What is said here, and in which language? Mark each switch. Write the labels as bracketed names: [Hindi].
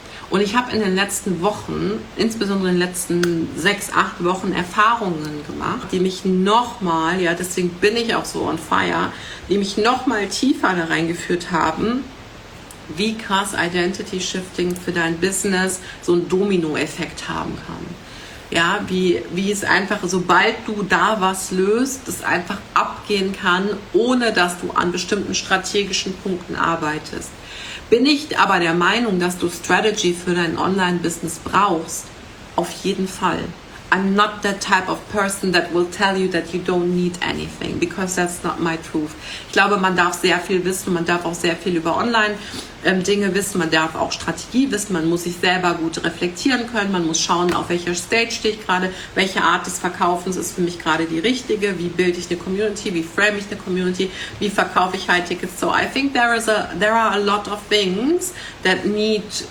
[German] Und ich habe in den letzten Wochen, insbesondere in den letzten 6-8 Wochen, Erfahrungen gemacht, die mich nochmal, ja, deswegen bin ich auch so on fire, die mich nochmal tiefer da reingeführt haben, wie krass Identity Shifting für dein Business so einen Domino-Effekt haben kann. Ja, wie es einfach, sobald du da was löst, es einfach abgehen kann, ohne dass du an bestimmten strategischen Punkten arbeitest. Bin ich aber der Meinung, dass du Strategy für dein Online-Business brauchst? Auf jeden Fall. [English] I'm not the type of person that will tell you that you don't need anything, because that's not my truth. [German] Ich glaube, man darf sehr viel wissen, man darf auch sehr viel über Online-Dinge wissen, man darf auch Strategie wissen, man muss sich selber gut reflektieren können, man muss schauen, auf welcher Stage stehe ich gerade, welche Art des Verkaufens ist für mich gerade die richtige, wie bilde ich eine Community, wie frame ich eine Community, wie verkaufe ich High Tickets. [English] So I think there are a lot of things that need